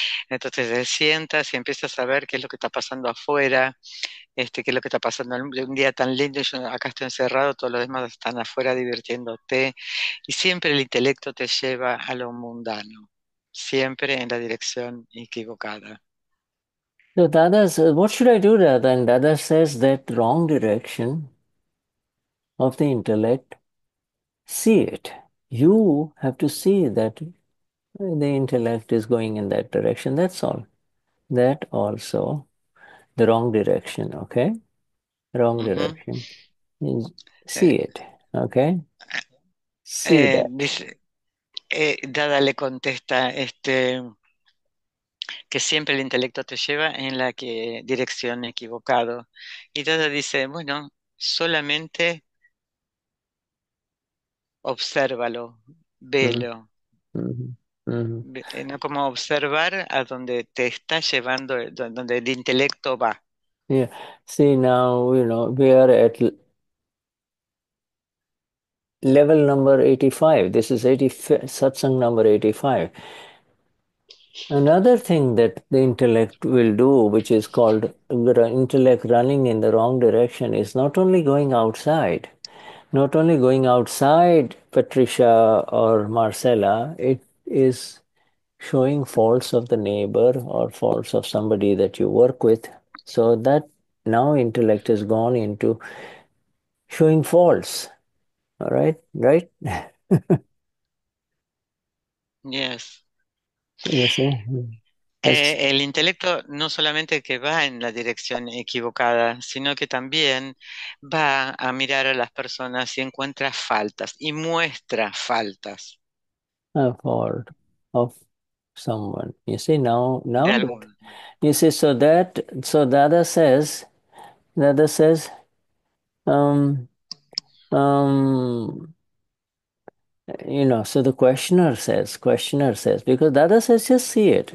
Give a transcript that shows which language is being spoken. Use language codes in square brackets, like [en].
[es] Entonces, te sientas y empiezas a ver qué es lo que está pasando afuera, qué es lo que está pasando. Un día tan lindo, yo acá estoy encerrado, todos los demás están afuera divirtiéndote. Y siempre el intelecto te lleva a lo mundano, siempre en la dirección equivocada. [en] So Dada says, what should I do, Dada? And Dada says that wrong direction of the intellect, see it. You have to see that the intellect is going in that direction. That's all. That also, the wrong direction, okay? Wrong direction. See it, okay? See that. [es] Dada le contesta, que siempre el intelecto te lleva en la dirección equivocado. Y Dada dice, bueno, solamente obsérvalo, velo. ¿no? Como observar a donde te está llevando, donde el intelecto va. [en] Yeah. See, now, you know, we are at level number 85. This is 85, satsang number 85. Another thing that the intellect will do, which is called intellect running in the wrong direction, is not only going outside, not only going outside Patricia or Marcella, it is showing faults of the neighbor or faults of somebody that you work with. So that now intellect has gone into showing faults. All right, right? Yes. Yes, [es] El intelecto no solamente que va en la dirección equivocada, sino que también va a mirar a las personas y encuentra faltas y muestra faltas. [en] A fault of someone. You see, now [es] De [en] that, [es] alguno. [en] you see, so Dada says, you know, so the questioner says, because Dada says, just see it.